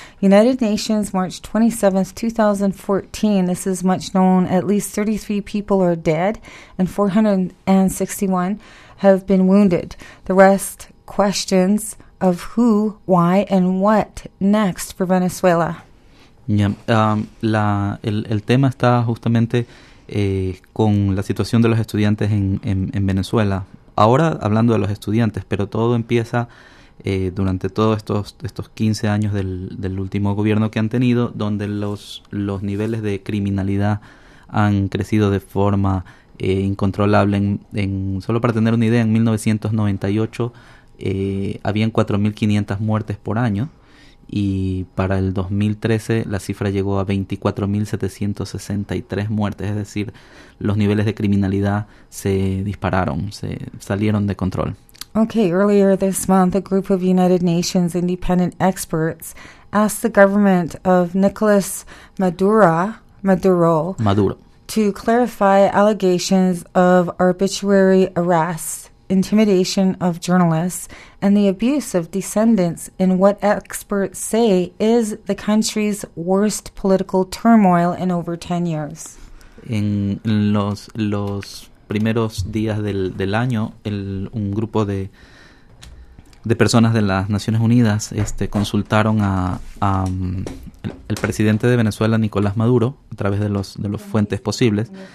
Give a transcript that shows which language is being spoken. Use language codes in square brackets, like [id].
[en] United Nations, March 27th, 2014, this is much known, at least 33 people are dead and 461 have been wounded. The rest, questions of who, why, and what next for Venezuela. Yeah. [es] El tema está justamente con la situación de los estudiantes en Venezuela. Ahora hablando de los estudiantes, pero todo empieza durante todos estos 15 años del último gobierno que han tenido, donde los niveles de criminalidad han crecido de forma incontrolable. Solo para tener una idea, en 1998 habían 4.500 muertes por año. Y para el 2013 la cifra llegó a 24.763 muertes, es decir, los niveles de criminalidad se dispararon, se salieron de control. [en] Okay, earlier this month, a group of United Nations independent experts asked the government of Nicolas Maduro to clarify allegations of arbitrary arrests, intimidation of journalists, and the abuse of dissidents in what experts say is the country's worst political turmoil in over 10 years. [es] En los primeros días del año, un grupo de personas de las Naciones Unidas consultaron al presidente de Venezuela, Nicolás Maduro, a través de los fuentes posibles,